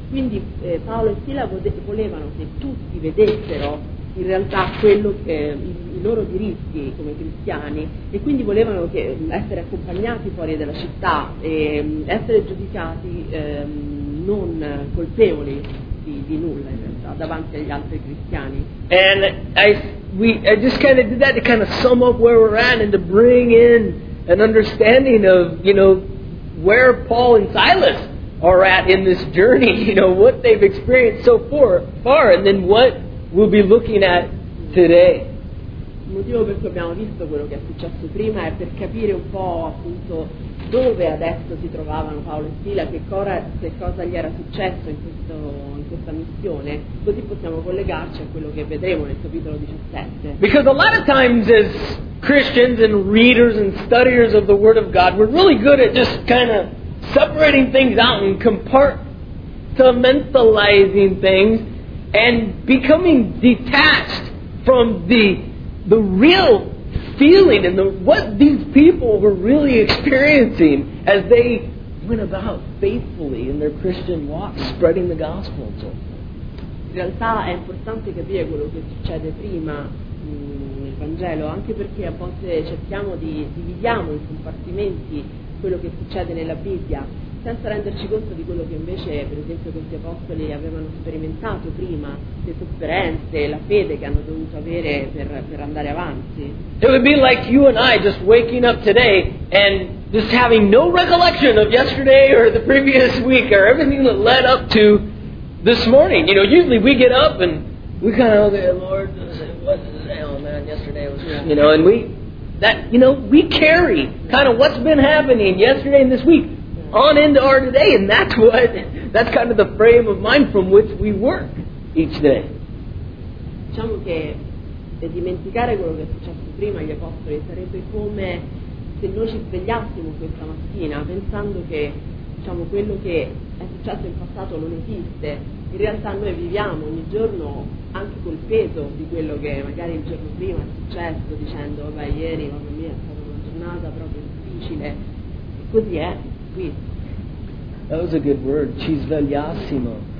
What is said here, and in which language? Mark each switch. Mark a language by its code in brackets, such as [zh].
[it] Quindi Paolo e Sila volevano che tutti vedessero in realtà quello che i loro diritti come cristiani e quindi volevano che essere accompagnati fuori dalla città e essere giudicati non colpevoli di nulla in realtà davanti agli altri cristiani. [en] And I just kind of did that to kind of sum up where we're at and to bring in an understanding of, you know, where Paul and Silas are at in this journey, you know, what they've experienced so far and then what we'll be looking at today. [it] Il motivo per cui abbiamo visto quello che è successo prima è per capire un po' appunto dove adesso si trovavano Paolo e Sila, che cosa gli era successo in questa missione, così possiamo collegarci a quello che vedremo nel capitolo 17. [en] Because a lot of times as Christians and readers and studiers of the Word of God, we're really good at just kind of separating things out and compartmentalizing things and becoming detached from the real feeling and what these people were really experiencing as they went about faithfully in their Christian walk, spreading the gospel and so forth. [it] In realtà è importante capire quello che succede prima nel Vangelo, anche perché a volte cerchiamo di dividiamo in compartimenti quello che succede nella Bibbia, senza renderci conto di quello che invece, per esempio, questi apostoli avevano sperimentato prima, le sofferenze, la fede che hanno dovuto avere per andare avanti. [en] It would be like you and I just waking up today and just having no recollection of yesterday or the previous week or everything that led up to this morning. You know, usually we get up and we kind of say, Lord, what the hell, man, yesterday was, you know, and we carry kind of what's been happening yesterday and this week on into our today, and that's kind of the frame of mind from which we work each day. [it] Diciamo che dimenticare quello che è successo prima agli apostoli sarebbe come se noi ci svegliassimo questa mattina pensando che, diciamo, quello che è successo in passato non esiste. In realtà noi viviamo ogni giorno anche col peso di quello che magari il giorno prima è successo, dicendo vabbè, ieri, mamma mia, è stata una giornata proprio difficile. E così è. [en] That was a good word, [it] ci svegliassimo.